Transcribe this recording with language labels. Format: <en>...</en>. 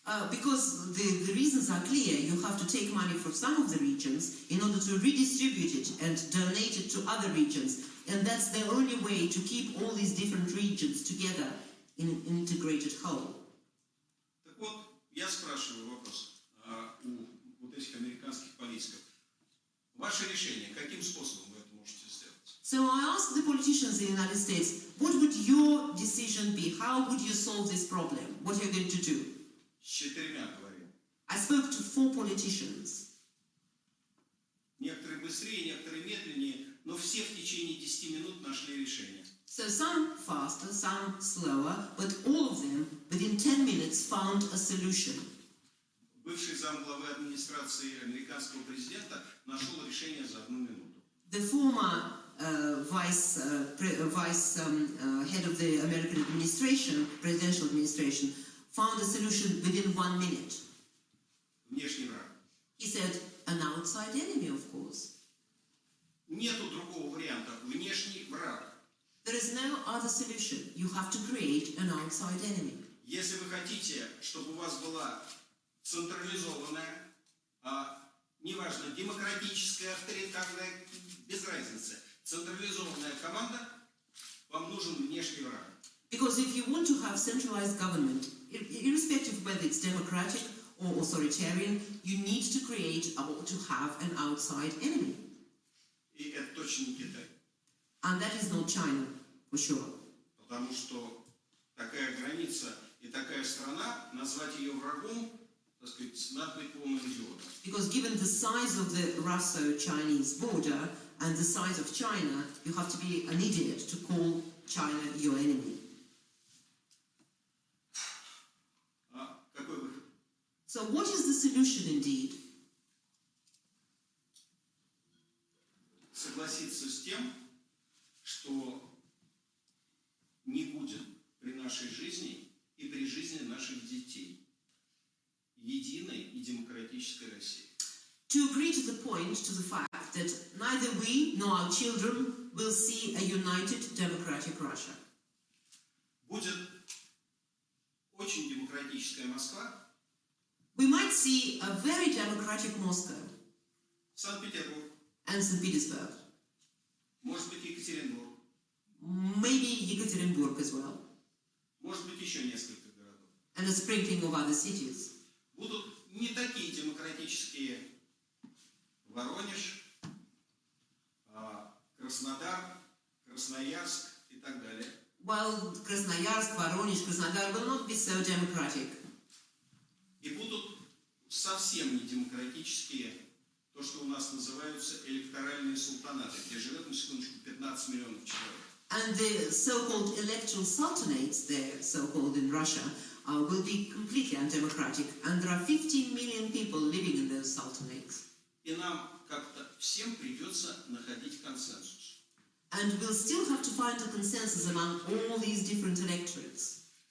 <en>Because the reasons are clear, you have to take money from some of the regions in order to redistribute it and donate it to other regions. And that's the only way to keep all these different regions together in an integrated whole.</en> <ru>Так вот, я спрашиваю вопрос у вот этих американских политиков. Ваше решение, каким способом вы это можете сделать?</ru> <en>So I ask the politicians in the United States, what would your decision be? How would you solve this problem? What are you going to do?</en> <ru>С четырьмя говорил.</ru> <en>I spoke to four politicians.</en> <ru>Некоторые быстрее, некоторые медленнее. Но все в течение 10 минут нашли решение.</ru> <en>So some faster, some slower, but all of them within 10 minutes found a solution.</en> <ru>Бывший замглавы администрации американского президента нашел решение за одну минуту.</ru> <en>The former vice head of the American administration, presidential administration, found a solution within 1 minute.</en> <ru>Внешний враг.</ru> <en>He said, an outside enemy, of course.</en> <ru>Нету другого варианта. Внешний враг.</ru> <en>There is no other solution. You have to create an outside enemy.</en> <ru>Если вы хотите, чтобы у вас была централизованная, неважно, демократическая, авторитарная, без разницы, централизованная команда, вам нужен внешний враг.</ru> <en>Because if you want to have centralized government, irrespective of whether it's democratic or authoritarian, you need to create or to have an outside enemy.</en> <ru>И это точно не Китай.</ru> <en>And that is not China, for sure.</en> <ru>Потому что такая граница и такая страна, назвать ее врагом, так сказать, надо быть полным идиотом.</ru> <en>Because given the size of the Russo-Chinese border and the size of China, you have to be an idiot to call China your enemy.</en> <ru>Какой выход?</ru> <en>So what is the solution indeed?</en> <ru>Согласиться с тем, что не будет при нашей жизни и при жизни наших детей единой и демократической России.</ru> <en>To agree to the point, to the fact that neither we nor our children will see a united democratic Russia.</en> <ru>Будет очень демократическая Москва.</ru> <en>We might see a very democratic Moscow.</en> <ru>Санкт-Петербург.</ru> <en>And St. Petersburg.</en> <ru>Может быть, Екатеринбург.</ru> <en>Maybe Екатеринбург as well.</en> <ru>Может быть, еще несколько городов.</ru> <en>And a sprinkling of other cities.</en> <ru>Будут не такие демократические Воронеж, Краснодар, Красноярск и так далее.</ru> <en>Well, Красноярск, Воронеж, Краснодар will not be so democratic.</en> <ru>И будут совсем не демократические то, что у нас называются электоральные султанаты, где живет, на секундочку, 15 миллионов человек.</ru> <en>And the so-called electoral sultanates there, so-called in Russia, will be completely undemocratic. And there are 15 million people living in those sultanates.</en> <ru>И нам как-то всем придется находить консенсус.</ru> <en>And we'll still have to find a consensus among all these different electorates.</en>